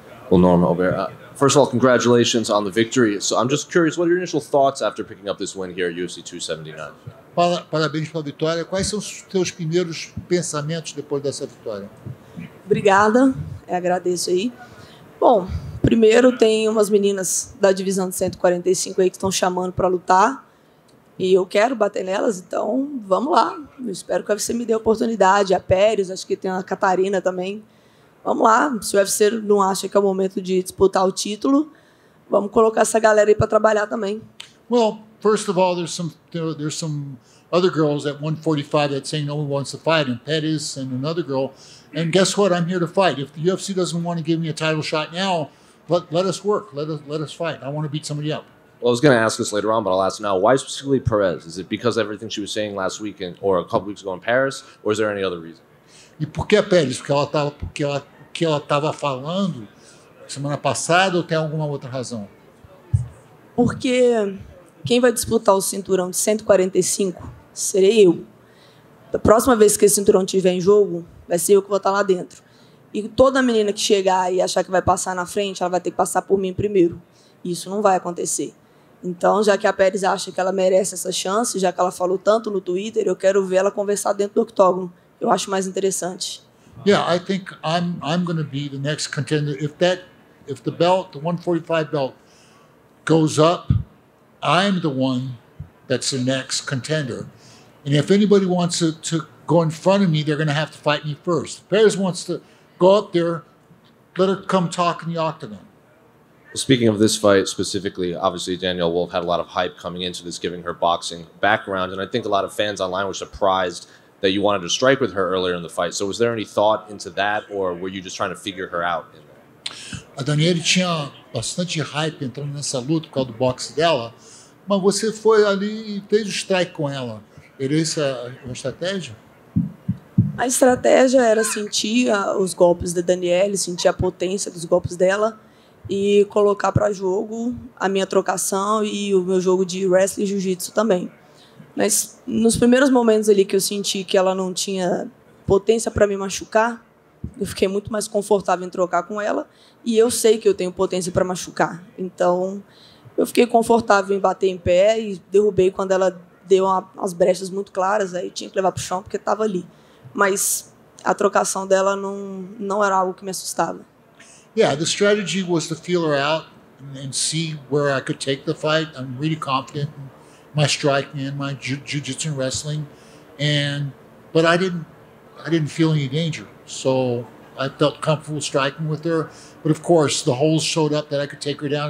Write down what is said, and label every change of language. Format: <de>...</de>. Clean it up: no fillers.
<en>Well, Norma, first of all, congratulations on the victory. So I'm just curious, what are your initial thoughts after picking up this win here at UFC 279?</en> <pt>Parabéns pela vitória. Quais são os teus primeiros pensamentos depois dessa vitória? Obrigada, agradeço aí. Bom, primeiro tem umas meninas da divisão de 145 aí que estão chamando para lutar. E eu quero bater nelas, então vamos lá. Eu espero que a UFC me dê a oportunidade. A Pérez, acho que tem a Catarina também. Vamos lá, se o UFC não acha que é o momento de disputar o título, vamos colocar essa galera aí para trabalhar também.</pt> <en>Well, first of all, there's some other girls at 145 that saying no one wants to fight, and Pettis and another girl. And guess what? I'm here to fight. If the UFC doesn't want to give me a title shot now, let us work. Let us fight. I want to beat somebody up. Well, I was going to ask this later on, but I'll ask now. Why specifically Perez? Is it because of everything she was saying last week or a couple weeks ago in Paris, or is there any other reason?</en> <pt>E por que Pérez? Porque ela estava falando semana passada ou tem alguma outra razão? Porque quem vai disputar o cinturão de 145 serei eu. A próxima vez que esse cinturão estiver em jogo, vai ser eu que vou estar lá dentro. E toda menina que chegar e achar que vai passar na frente, ela vai ter que passar por mim primeiro. Isso não vai acontecer. Então, já que a Pérez acha que ela merece essa chance, já que ela falou tanto no Twitter, eu quero ver ela conversar dentro do octógono. Eu acho mais interessante.</pt> <en>Yeah, I think I'm going to be the next contender. If the belt, the 145 belt, goes up, I'm the one that's the next contender. And if anybody wants to go in front of me, they're going to have to fight me first. If Perez wants to go up there, let her come talk in the octagon. Well, speaking of this fight specifically, obviously Danyelle Wolf had a lot of hype coming into this, giving her boxing background. And I think a lot of fans online were surprised that you wanted to strike with her earlier in the fight. So was there any thought into that, or were you just trying to figure her out?</en> <pt>A Danyelle tinha bastante hype entrando nessa luta por causa do boxe dela, mas você foi ali e fez o strike com ela. Era essa a estratégia? A estratégia era sentir os golpes da Danyelle, sentir a potência dos golpes dela e colocar para jogo a minha trocação e o meu jogo de wrestling e jiu-jitsu também. Mas nos primeiros momentos ali que eu senti que ela não tinha potência para me machucar, eu fiquei muito mais confortável em trocar com ela. E eu sei que eu tenho potência para machucar. Então, eu fiquei confortável em bater em pé e derrubei quando ela deu as brechas muito claras. Aí tinha que levar para o chão porque estava ali. Mas a trocação dela não era algo que me assustava.</pt> <en>Yeah, the strategy was to feel her out and see where I could take the fight. I'm really confident in my striking and my jiu-jitsu and wrestling. But I didn't feel any danger. So I felt comfortable striking with her. But of course, the holes showed up that I could take her down.</en>